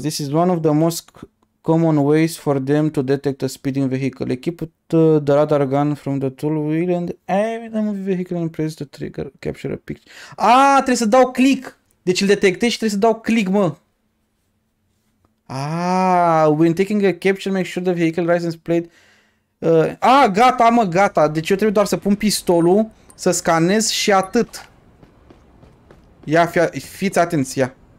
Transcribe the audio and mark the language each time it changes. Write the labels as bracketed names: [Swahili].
[English] This is one of the most common ways for them to detect a speeding vehicle. Equipped the radar gun from the tool wheel and aim the moving vehicle and press the trigger to capture a picture. [Romanian] Ah, trebuie să dau click. Deci îl detectez și trebuie să dau click, mă. [English] Ah, when taking a capture, make sure the vehicle license plate. [Romanian] Ah, gata, mă, gata. Deci eu trebuie doar să pun pistolul, să scanez și atât. Ia, fiți atenți, ia.